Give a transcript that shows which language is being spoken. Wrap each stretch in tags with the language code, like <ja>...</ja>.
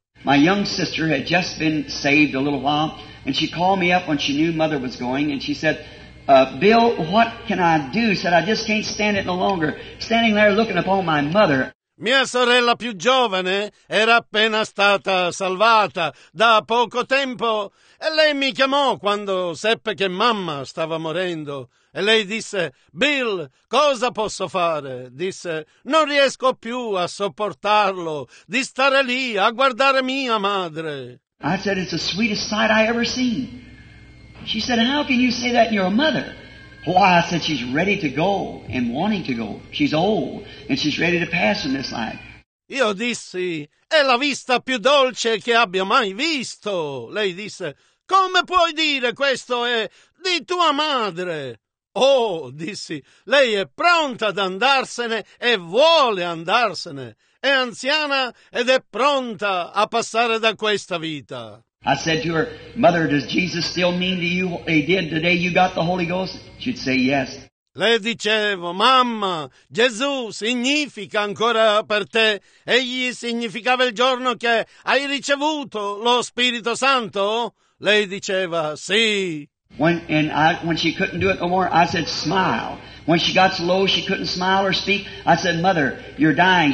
<en>My young sister had just been saved a little while, and she called me up when she knew mother was going, and she said, Bill, what can I do? Said, I just can't stand it no longer, standing there looking upon my mother.</en> <it>Mia sorella più giovane era appena stata salvata da poco tempo e lei mi chiamò quando seppe che mamma stava morendo e lei disse, Bill, cosa posso fare? Disse, non riesco più a sopportarlo di stare lì a guardare mia madre.</it> <en>I said, it's the sweetest sight I ever seen. She said, how can you say that you're a mother? Why, I said, she's ready to go and wanting to go. She's old and she's ready to pass in this life.</en> <it>Io dissi, è la vista più dolce che abbia mai visto. Lei disse, come puoi dire questo è di tua madre? Oh, dissi, lei è pronta ad andarsene e vuole andarsene. È anziana ed è pronta a passare da questa vita.</it> <en>I said to her, mother, does Jesus still mean to you what he did the day you got the Holy Ghost? She'd say yes.</en> <it>Le dicevo, mamma, Gesù significa ancora per te? Egli significava il giorno che hai ricevuto lo Spirito Santo? Lei diceva, sì.</it> <en>When she couldn't do it no more, I said, smile. When she got so low she couldn't smile or speak, I said, mother, you're dying.</en>